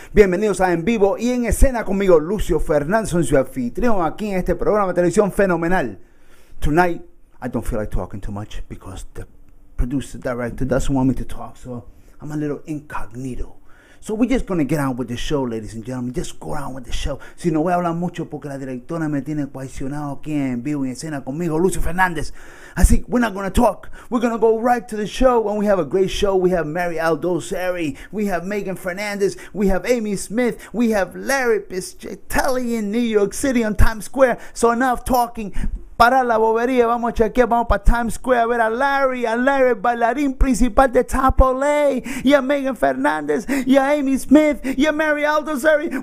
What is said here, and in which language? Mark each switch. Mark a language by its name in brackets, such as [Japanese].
[Spanish] Bienvenidos a En Vivo y En Escena conmigo, Lucio Fernandez. Soy su anfitrión aquí en este programa de televisión fenomenal. [English] Tonight, I don't feel like talking too much because the producer, director doesn't want me to talk, so I'm a little incognito. So we're just gonna get on with the show, ladies and gentlemen. Just go on with the show. [Spanish] Si no voy a hablar mucho porque la directora me tiene cuestionado aquí en vivo y en escena conmigo, Lucio Fernandez. Así que [English] we're not gonna talk. We're gonna go right to the show. And we have a great show. We have Mary Aldousary. We have Megan Fernandez. We have Amy Smith. We have Larry Piscitelli in New York City on Times Square. So enough talking. [Spanish] Para la bobería, vamos a chequear, vamos para Times Square a ver a Larry bailarín principal de TapOle, y a Megan Fernandez, y a Amy Smith, y a Mary Aldousary.